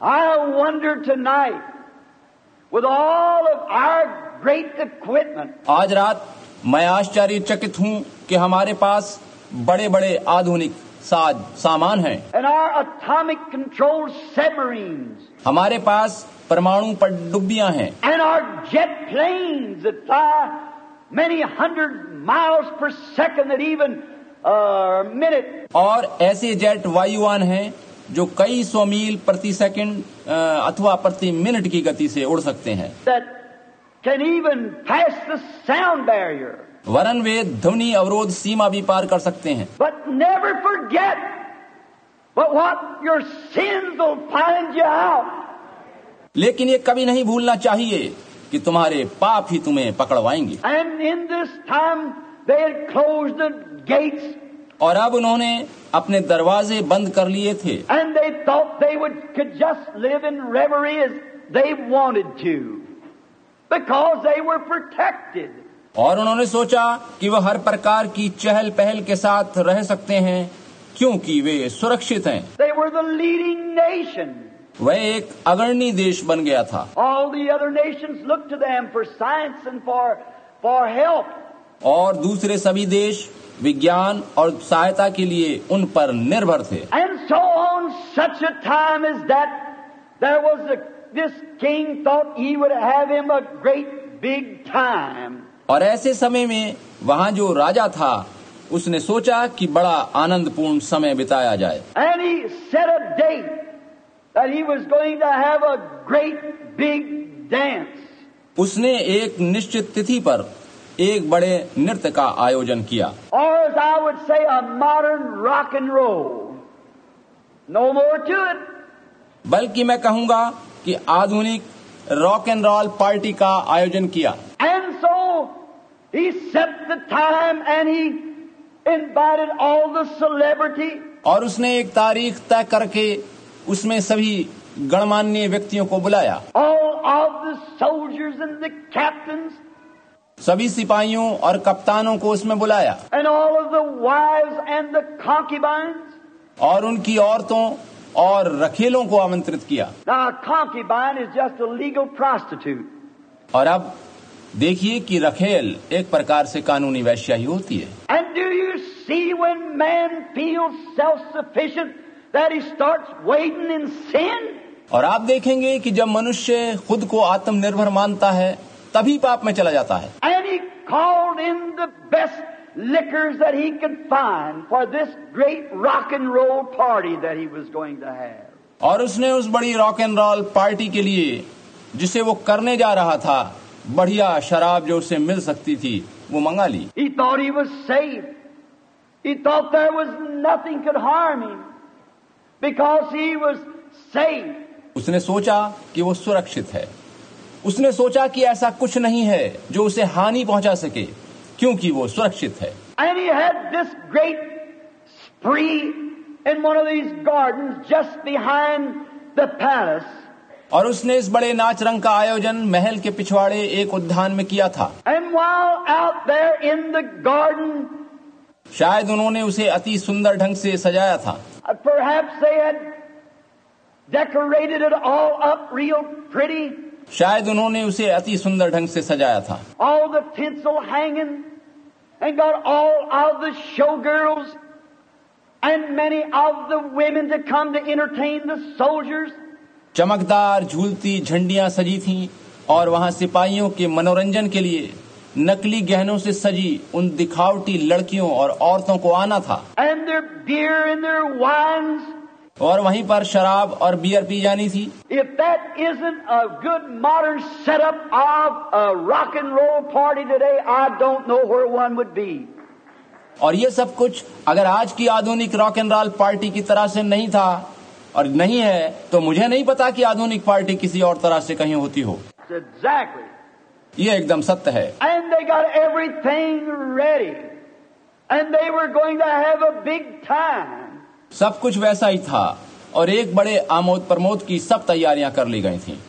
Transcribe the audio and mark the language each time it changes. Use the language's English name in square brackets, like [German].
[English] I wonder tonight, with all of our great equipment. [Hindi] आज रात मैं आश्चर्यचकित हूँ कि हमारे पास बड़े बड़े आधुनिक साज सामान हैं. [English] And our atomic control submarines. [Hindi] हमारे पास परमाणु पनडुब्बियां हैं. [English] And our jet planes that fly many hundred miles per second, that even a minute. [Hindi] और ऐसे जेट वायुयान हैं जो कई सौ मील प्रति सेकंड अथवा प्रति मिनट की गति से उड़ सकते हैं, [English] can even pass the sound barrier. [Hindi] वरन वे ध्वनि अवरोध सीमा भी पार कर सकते हैं. [English] But never forget but what your sins will find you out. [Hindi] लेकिन ये कभी नहीं भूलना चाहिए कि तुम्हारे पाप ही तुम्हें पकड़वाएंगे. [English] And in this time they had closed the gates. [Hindi] और अब उन्होंने अपने दरवाजे बंद कर लिए थे. [English] And they thought they would could just live in reverie as they wanted to. Because they were protected. [Hindi] और उन्होंने सोचा कि वह हर प्रकार की चहल पहल के साथ रह सकते हैं क्योंकि वे सुरक्षित हैं. [English] They were the leading nation. [Hindi] वह एक अग्रणी देश बन गया था. [English] All the other nations looked to them for science and for help. [Hindi] और दूसरे सभी देश विज्ञान और सहायता के लिए उन पर निर्भर थे. [English] And so on such a time as that there was a This king thought he would have him a great big time. [Hindi] और ऐसे समय में वहाँ जो राजा था उसने सोचा कि बड़ा आनंदपूर्ण समय बिताया जाए. [English] And he set a date that he was going to have a great big dance. [Hindi] उसने एक निश्चित तिथि पर एक बड़े नृत्य का आयोजन किया. [English] Or as I would say a modern rock and roll. No more to it. [Hindi] बल्कि मैं कहूँगा कि आधुनिक रॉक एंड रोल पार्टी का आयोजन किया. [English] And so he set the time and he invited all the celebrity. [Hindi] और उसने एक तारीख तय करके उसमें सभी गणमान्य व्यक्तियों को बुलाया. [English] All of the soldiers and the captains. [Hindi] सभी सिपाहियों और कप्तानों को उसमें बुलाया. [English] And all of the wives and the concubines. [Hindi] और उनकी औरतों और रखेलों को आमंत्रित किया. [English] Now, a concubine is just a legal prostitute. [Hindi] और अब देखिए कि रखेल एक प्रकार से कानूनी वैश्या ही होती है. [English] And do you see when man feels self-sufficient that he starts wading in sin? [Hindi] और आप देखेंगे कि जब मनुष्य खुद को आत्मनिर्भर मानता है तभी पाप में चला जाता है. [English] And he called in the best liquors that he could find for this great rock and roll party that he was going to have. [Hindi] और उसने उस बड़ी रॉक एंड रोल पार्टी के लिए जिसे वो करने जा रहा था बढ़िया शराब जो उसे मिल सकती थी वो मंगा ली. [English] He thought he was safe. He thought there was nothing could harm him because he was safe. [Hindi] उसने सोचा कि वो सुरक्षित है. उसने सोचा कि ऐसा कुछ नहीं है जो उसे हानि पहुंचा सके क्योंकि वो सुरक्षित है. [English] And he had this great spree in one of these gardens just behind the palace. [Hindi] और उसने इस बड़े नाच रंग का आयोजन महल के पिछवाड़े एक उद्यान में किया था. [English] And while out there in the garden, [Hindi] शायद उन्होंने उसे अति सुंदर ढंग से सजाया था. [English] Perhaps they had decorated it all up real pretty. [Hindi] शायद उन्होंने उसे अति सुंदर ढंग से सजाया था. [English] All the tinsel hanging and got all of the showgirls and many of the women to come to entertain the soldiers. [Hindi] चमकदार झूलती झंडियां सजी थीं और वहां सिपाहियों के मनोरंजन के लिए नकली गहनों से सजी उन दिखावटी लड़कियों और औरतों को आना था. [English] And their beer and their wines. [Hindi] और वहीं पर शराब और बियर पी जानी थी. [English] If that isn't a good modern setup of a rock and roll party today, I don't know where one would be. [Hindi] और ये सब कुछ अगर आज की आधुनिक रॉक एंड रोल पार्टी की तरह से नहीं था और नहीं है तो मुझे नहीं पता कि आधुनिक पार्टी किसी और तरह से कहीं होती हो. [English] Exactly. [Hindi] ये एकदम सत्य है. [English] And they got everything ready. And they were going to have a big time. [Hindi] सब कुछ वैसा ही था और एक बड़े आमोद प्रमोद की सब तैयारियां कर ली गई थीं.